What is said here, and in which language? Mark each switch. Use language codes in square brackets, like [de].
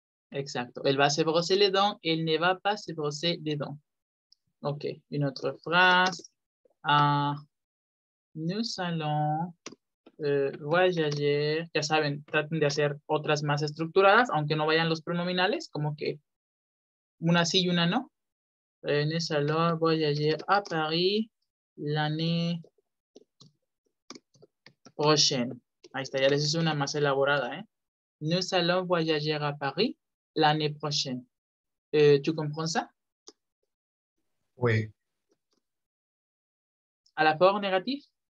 [es] Exacto. [fr] El va se brosser les dents, el ne va pas se brosser les dents. Ok. Une autre phrase. Nous allons voyager. [es] Ya saben, traten de hacer otras más estructuradas, aunque no vayan los pronominales, como que una sí y una no. [fr] Nous allons voyager a Paris l'année prochaine. [es] Ahí está, ya les hice una más elaborada, ¿eh? [fr] Nous allons voyager a Paris l'année prochaine. ¿Tú comprends ça? Oui. [es] ¿A la forma negativa?